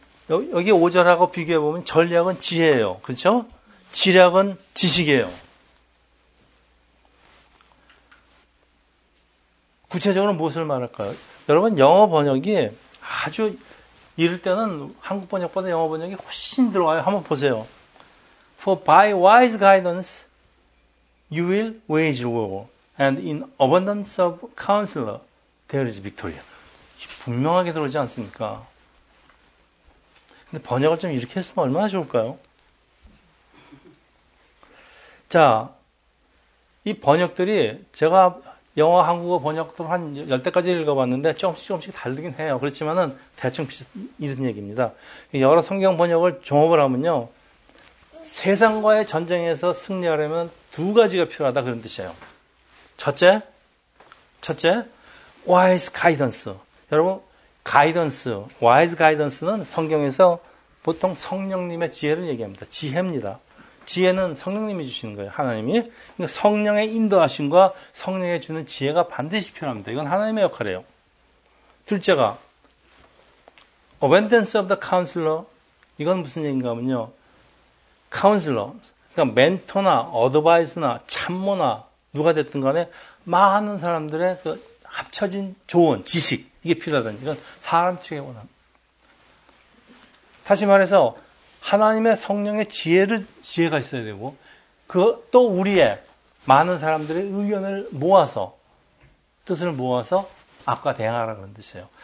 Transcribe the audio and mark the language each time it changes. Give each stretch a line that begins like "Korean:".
Korean: 여기 5절하고 비교해보면 전략은 지혜예요. 그렇죠? 지략은 지식이에요. 구체적으로 무엇을 말할까요? 여러분 영어 번역이 아주 이럴 때는 한국 번역보다 영어 번역이 훨씬 들어와요. 한번 보세요.
English: For by wise guidance you will wage war and in abundance of counselor there is victory.
Korean: 분명하게 들어오지 않습니까? 근데 번역을 좀 이렇게 했으면 얼마나 좋을까요? 자, 이 번역들이 제가 영어, 한국어 번역들 한 10대까지 읽어봤는데 조금씩 다르긴 해요. 그렇지만은 대충 이런 얘기입니다. 여러 성경 번역을 종합을 하면요. 세상과의 전쟁에서 승리하려면 두 가지가 필요하다 그런 뜻이에요. 첫째, wise guidance. 여러분, guidance, wise guidance는 성경에서 보통 성령님의 지혜를 얘기합니다. 지혜입니다. 지혜는 성령님이 주시는 거예요. 하나님이. 그러니까 성령의 인도하심과 성령이 주는 지혜가 반드시 필요합니다. 이건 하나님의 역할이에요. 둘째가 abundance of the counselor. 이건 무슨 얘기인가 하면요. counselor. 그러니까 멘토나 어드바이스나 참모나 누가 됐든 간에 많은 사람들의 그 합쳐진 조언, 지식 이게 필요하다는 이건 사람 측에 원합니다. 다시 말해서 하나님의 성령의 지혜가 있어야 되고, 그, 또 우리의 많은 사람들의 의견을 모아서, 뜻을 모아서 악과 대항하라 그런 뜻이에요.